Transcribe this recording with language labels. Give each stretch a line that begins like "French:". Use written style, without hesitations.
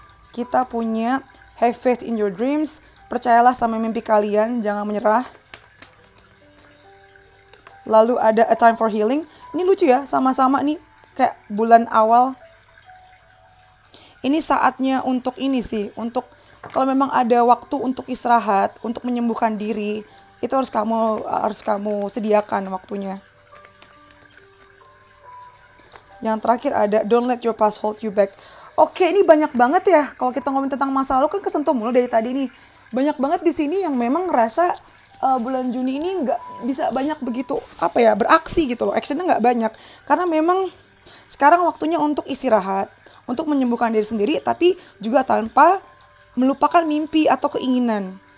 Indonesian: Kita punya
English: have faith in your dreams.
Indonesian: Percayalah sama mimpi kalian, jangan menyerah. Lalu ada
English: a time for healing.
Indonesian: Ini lucu ya, sama-sama nih kayak bulan awal. Ini saatnya untuk ini sih, untuk kalau memang ada waktu untuk istirahat, untuk menyembuhkan diri, itu harus kamu sediakan waktunya. Yang terakhir ada
English: don't let your past hold you back.
Indonesian: Oke, ini banyak banget ya. Kalau kita ngomongin tentang masa lalu kan kesentuh mulu dari tadi nih. Banyak banget di sini yang memang ngerasa bulan Juni ini nggak bisa banyak begitu apa ya beraksi gitu loh. Actionnya nggak banyak karena memang sekarang waktunya untuk istirahat, untuk menyembuhkan diri sendiri, tapi juga tanpa melupakan mimpi atau keinginan.